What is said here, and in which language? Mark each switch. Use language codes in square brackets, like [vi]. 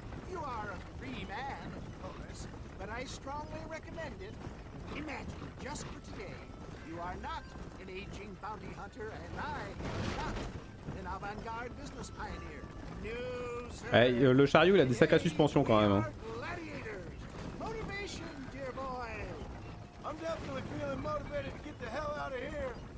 [en] You are a free man, of course, but I strongly recommend it. Imagine, just for today, you are not an aging bounty hunter, and I am not an avant-garde business pioneer. No, sir. [fr] Hey, le chariot, il a des sacs à suspension quand même. [en] Gladiators. Motivation, dear boy. I'm definitely feeling motivated to get the hell out of here.